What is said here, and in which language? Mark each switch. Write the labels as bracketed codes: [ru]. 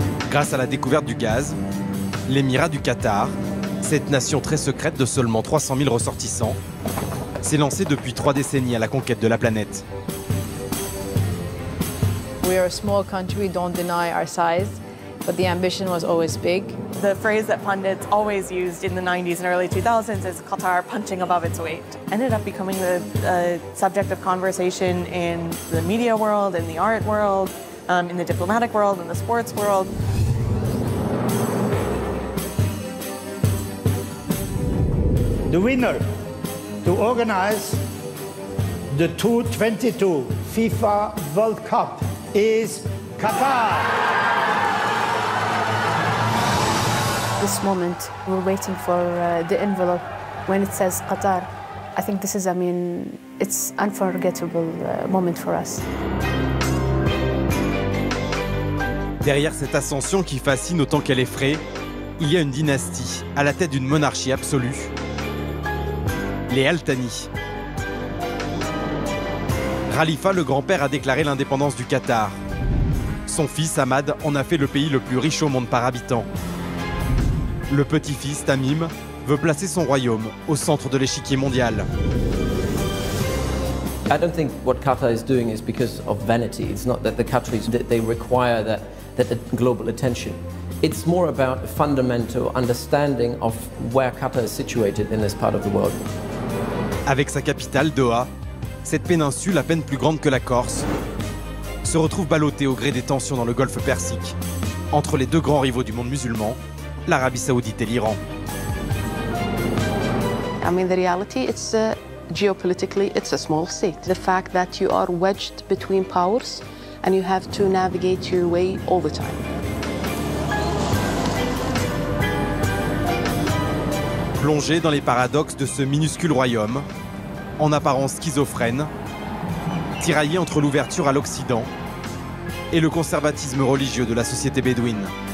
[fr] Grâce à la découverte du gaz, l'émirat du Qatar, cette nation très secrète de seulement 300 000 ressortissants, s'est lancé depuis trois décennies à la conquête de la planète. [en] We are a small country, don't deny our size, but the ambition was always big. The phrase that pundits always used in the 90s and early 2000s is Qatar punching above its weight. Ended up becoming the subject of conversation in the media world, in the art world, in the diplomatic world, in the sports world. The winner to organize the 2022 FIFA World Cup is Qatar. This moment, we're waiting for the envelope when it says Qatar. I think this is, it's unforgettable moment for us. [fr] Derrière cette ascension qui fascine autant qu'elle effraie, il y a une dynastie à la tête d'une monarchie absolue. Les Al-Thani. Khalifa, le grand-père, a déclaré l'indépendance du Qatar. Son fils, Ahmad, en a fait le pays le plus riche au monde par habitant. Le petit-fils, Tamim, veut placer son royaume au centre de l'échiquier mondial. [en] I don't think what Qatar is doing is because of vanity. It's not that the countries that they require that global attention. It's more about a fundamental understanding of where Qatar is situated in this part of the world. [fr] Avec sa capitale, Doha, cette péninsule, à peine plus grande que la Corse, se retrouve ballottée au gré des tensions dans le golfe Persique, entre les deux grands rivaux du monde musulman, l'Arabie Saoudite et l'Iran. [en] The reality, it's geopolitically, it's a small state. The fact that you are wedged between powers and you have to navigate your way all the time. [fr] Plongé dans les paradoxes de ce minuscule royaume, en apparence schizophrène, tiraillé entre l'ouverture à l'Occident et le conservatisme religieux de la société bédouine.